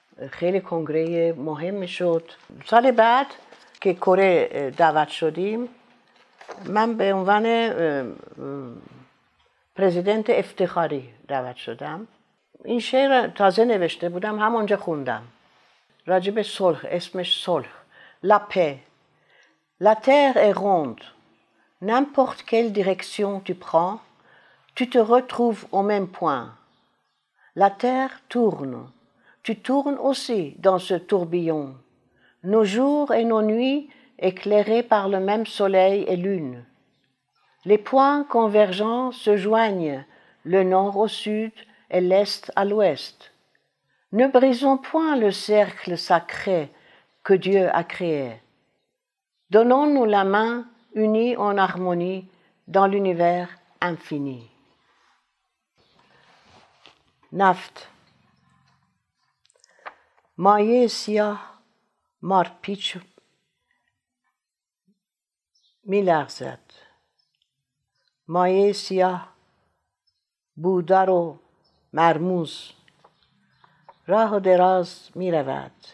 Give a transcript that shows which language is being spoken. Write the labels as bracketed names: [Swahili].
[Persian] خیلی کنگره مهم شد. سال بعد که کره دعوت شدیم، من به عنوان پرزیدنت افتخاری دعوت شدم. این شعر تازه نوشته بودم، همونجا خوندم، راجب صلح، اسمش صلح. [French] La paix. La terre est ronde. N'importe quelle direction tu prends, Tu te retrouves au même point. La terre tourne. Tu tournes aussi dans ce tourbillon. Nos jours et nos nuits éclairés par le même soleil et lune. Les points convergents se joignent, le nord au sud et l'est à l'ouest. Ne brisons point le cercle sacré que Dieu a créé. Donnons-nous la main unie en harmonie dans l'univers infini. [Persian] نفت مایه سیاه مارپیچ می لغزد. مایه سیاه بودار و مرموز راه و دراز می رود.